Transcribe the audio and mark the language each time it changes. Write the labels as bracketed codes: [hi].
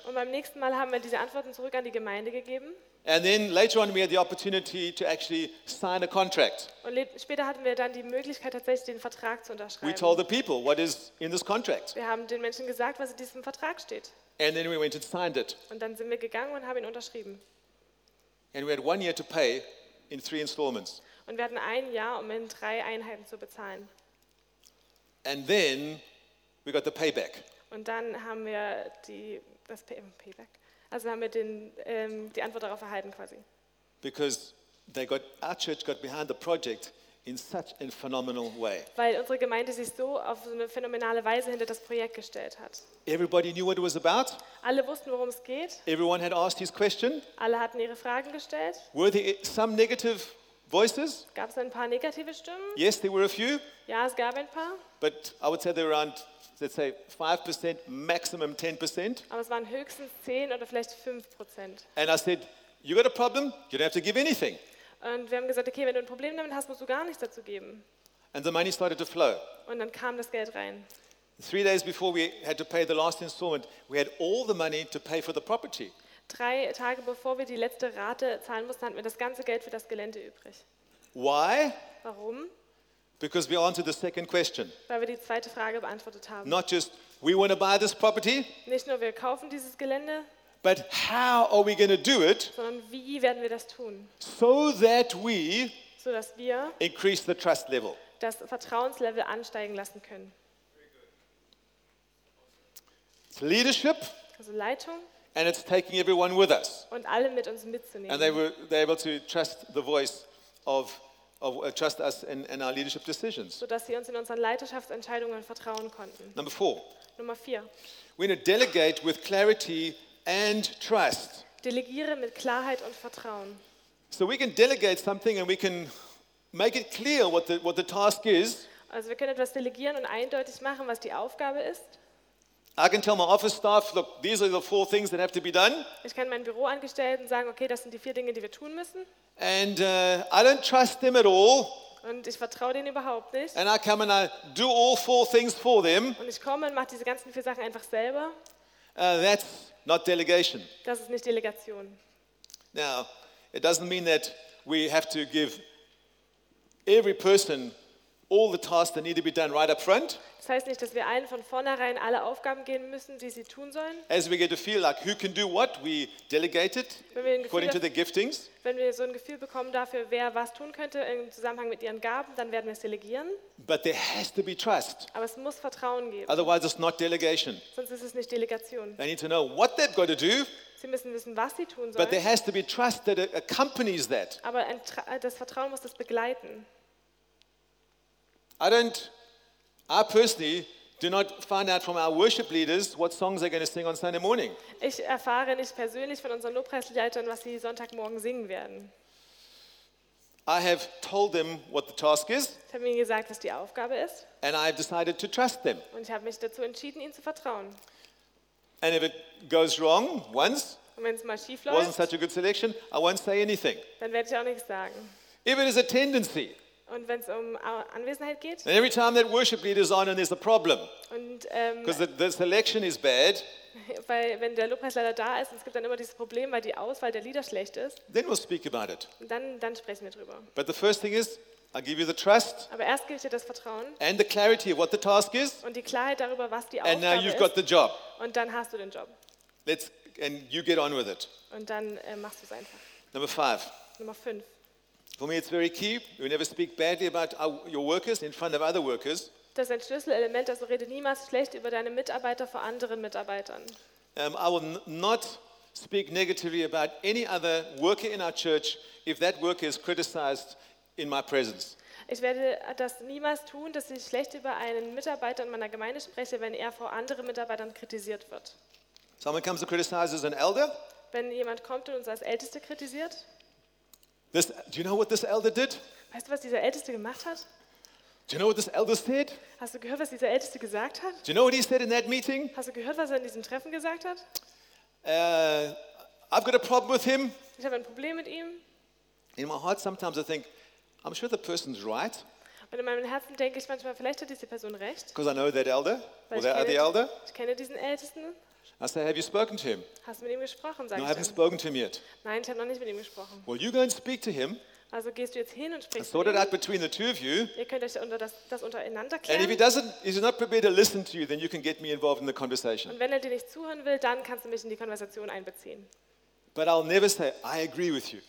[de] Und beim nächsten Mal haben wir diese Antworten zurück an die Gemeinde gegeben. [en] And then later on, we had the opportunity to actually sign a contract. [de] Und später hatten wir dann die Möglichkeit, tatsächlich den Vertrag zu unterschreiben. [en] We told the people what is in this contract. [de] Wir haben den Menschen gesagt, was in diesem Vertrag steht. [en] And then we went and signed it. [de] Und dann sind wir gegangen und haben ihn unterschrieben. [en] And we had 1 year to pay in 3 installments. [de] Und wir hatten ein Jahr, um in 3 Einheiten zu bezahlen. [en] And then we got the payback. [de] Und dann haben wir das Payback. Also haben wir die Antwort darauf erhalten quasi. [en] Because they got our church got behind the project in such a phenomenal way. [de] Weil unsere Gemeinde sich so auf so eine phänomenale Weise hinter das Projekt gestellt hat. [en] Everybody knew what it was about. [de] Alle wussten, worum es geht. [en] Everyone had asked his question. [de] Alle hatten ihre Fragen gestellt. [en] Were there some negative voices? [de] Gab es ein paar negative Stimmen? [en] Yes, there were a few. [de] Ja, es gab ein paar. [en] But I would say they were around, let's say 5%, maximum 10%. [de] Aber es waren höchstens 10 oder vielleicht 5%. [en] And I said, you got a problem? You don't have to give anything. [de] Und wir haben gesagt, okay, wenn du ein Problem damit hast, musst du gar nichts dazu geben. [en] And the money started to flow. [de] Und dann kam das Geld rein. [en] 3 days before we had to pay the last installment, we had all the money to pay for the property. [de] 3 Tage bevor wir die letzte Rate zahlen mussten, hatten wir das ganze Geld für das Gelände übrig. [en] Why? [de] Warum? [en] Because we answered the second question. [de] Weil wir die zweite Frage beantwortet haben. [en] Not just we want to buy this property. [de] Nicht nur wir kaufen dieses Gelände. [en] But how are we going to do it? [de] Sondern wie werden wir das tun? [en] So that we [de] so dass wir [en] increase the trust level. [de] Das Vertrauenslevel ansteigen lassen können. [en] It's leadership. [de] Also Leitung. [en] And it's taking everyone with us. [de] Und alle mit uns mitzunehmen. [en] And they're able to trust the voice of trust us in our leadership decisions. [de] So dass sie uns in unseren Leiterschaftsentscheidungen vertrauen konnten. Nummer 4. [en] We're going to delegate with clarity and trust. [de] Delegiere mit Klarheit und Vertrauen. [en] So we can delegate something and we can make it clear what the task is. [de] Also wir können etwas delegieren und eindeutig machen, was die Aufgabe ist. [en] I can tell my office staff, look, these are the 4 things that have to be done. [de] Ich kann meinen Büroangestellten sagen, okay, das sind die 4 Dinge, die wir tun müssen. [en] And I don't trust them at all. [de] Und ich vertraue denen überhaupt nicht. [en] And I come and I do all 4 things for them. [de] Und ich komme und mache diese ganzen 4 Sachen einfach selber. [en] That's not delegation. [de] Das ist nicht Delegation. [en] Now, it doesn't mean that we have to give every person all the tasks that need to be done right up front. [de] Das heißt nicht, dass wir allen von vornherein alle Aufgaben geben müssen, die sie tun sollen. [en] As we get to feel like who can do what, we delegate it according to the giftings. [de] Wenn wir so ein Gefühl bekommen dafür, wer was tun könnte im Zusammenhang mit ihren Gaben, dann werden wir es delegieren. [en] But there has to be trust. [de] Aber es muss Vertrauen geben. [en] Otherwise it's not delegation. [de] Sonst ist es nicht Delegation. [en] They need to know what they've got to do. [de] Sie müssen wissen, was sie tun sollen. [en] But there has to be trust that accompanies that. [de] Aber das Vertrauen muss das begleiten. [en] I personally do not find out from our worship leaders what songs they're going to sing on Sunday morning. [de] Ich erfahre nicht persönlich von unseren Lobpreisleitern, was sie Sonntagmorgen singen werden. [en] I have told them what the task is. [de] Ich habe ihnen gesagt, was die Aufgabe ist. [en] And I have decided to trust them. [de] Und ich habe mich dazu entschieden, ihnen zu vertrauen. [en] And if it goes wrong once, [de] und wenn es mal schief läuft, [en] wasn't such a good selection, I won't say anything. [de] Dann werde ich auch nichts sagen. [en] If it is a tendency. [de] Und wenn es um Anwesenheit geht. [en] And every time that worship leader is on and there's a problem. [de] Und [en] because the selection is bad. [de] Weil wenn der Lobpreisleiter da ist, es gibt dann immer dieses Problem, weil die Auswahl der Lieder schlecht ist. [en] Then we'll speak about it. [de] Und dann sprechen wir drüber. [en] But the first thing is, I give you the trust. [de] Aber erst gebe ich dir das Vertrauen. [en] And the clarity of what the task is. [de] Und die Klarheit darüber, was die Aufgabe ist. [en] And now you've [de] ist. [en] Got the job. [de] Und dann hast du den Job. [en] Let's and you get on with it. [de] Und dann machst du es einfach. Nummer 5. [en] For me, it's very key. We never speak badly about your workers in front of other workers. [de] Das ist ein Schlüsselelement, also rede niemals schlecht über deine Mitarbeiter vor anderen Mitarbeitern. [en] I will not speak negatively about any other worker in our church if that worker is criticized in my presence. [de] Ich werde das niemals tun, dass ich schlecht über einen Mitarbeiter in meiner Gemeinde spreche, wenn er vor anderen Mitarbeitern kritisiert wird. [en] Someone comes to criticize as an elder. [de] Wenn jemand kommt und uns als Älteste kritisiert. [en] This, do you know what this elder did? [de] Weißt du, was dieser Älteste gemacht hat? [en] Do you know what this elder said? [de] Hast du gehört, was dieser Älteste gesagt hat? [en] Do you know what he said in that meeting? [de] Hast du gehört, was er in diesem Treffen gesagt hat? [en] I've got a problem with him. [de] Ich habe ein Problem mit ihm. [en] In my heart sometimes I think, I'm sure the person's right. [de] Und in meinem Herzen denke ich manchmal, vielleicht hat diese Person recht. [en] Because I know that elder. [de] Weil [en] or the elder. [de] Ich kenne diesen Ältesten. [en] I say, have you spoken to him? [de] Hast du mit ihm gesprochen? [en] No, I haven't spoken to him yet. [de] Nein, ich habe noch nicht mit ihm gesprochen. [en] Well, you go and speak to him. [de] Also gehst du jetzt hin und sprichst mit ihm. [en] Sort it out between the two of you. [de] Ihr könnt euch das untereinander klären. [en] And if he doesn't, he's not prepared to listen to you, then you can get me involved in the conversation. [de] Und wenn er dir nicht zuhören will, dann kannst du mich in die Konversation einbeziehen. [en] But I'll never say, I agree with you.